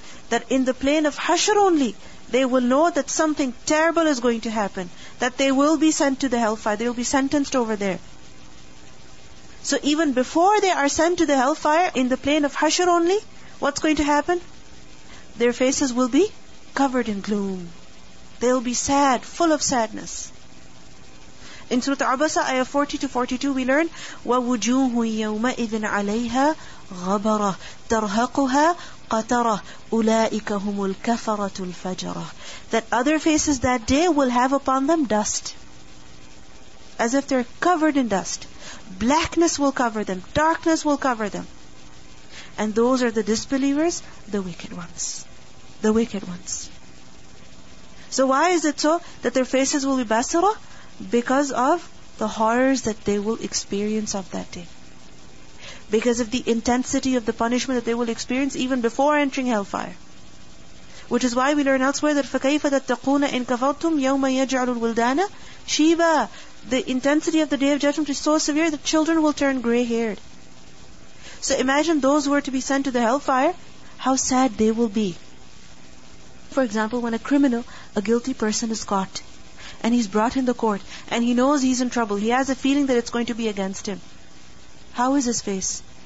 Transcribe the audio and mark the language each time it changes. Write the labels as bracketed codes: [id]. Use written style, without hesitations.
[en] That in the plane of Hashr only they will know that something terrible is going to happen, that they will be sent to the hellfire, they will be sentenced over there. So even before they are sent to the hellfire in the plane of Hashr only, what's going to happen? Their faces will be covered in gloom. They'll be sad, full of sadness. In Surah Abasa, ayah 40-42, we learn, [ar] وَوُجُوهُ يَوْمَئِذٍ عَلَيْهَا غَبَرَةٌ تَرْهَقُهَا قَتَرَةٌ أُولَٰئِكَ هُمُ الْكَفَرَةُ الْفَجَرَةُ. [en] That other faces that day will have upon them dust, as if they're covered in dust. Blackness will cover them, darkness will cover them. And those are the disbelievers, the wicked ones. The wicked ones. So why is it so that their faces will be basara? Because of the horrors that they will experience of that day. Because of the intensity of the punishment that they will experience even before entering hellfire. Which is why we learn elsewhere that [ar] فَكَيْفَ تَتَّقُونَ إِن كَفَرْتُمْ يَوْمَ يَجْعَلُ الْوِلْدَانَ شِيبًا. [en] The intensity of the Day of Judgment is so severe that children will turn grey-haired. So imagine those who are to be sent to the hellfire, how sad they will be. For example, when a criminal, a guilty person is caught, and he's brought in the court, and he knows he's in trouble, he has a feeling that it's going to be against him. How is his face?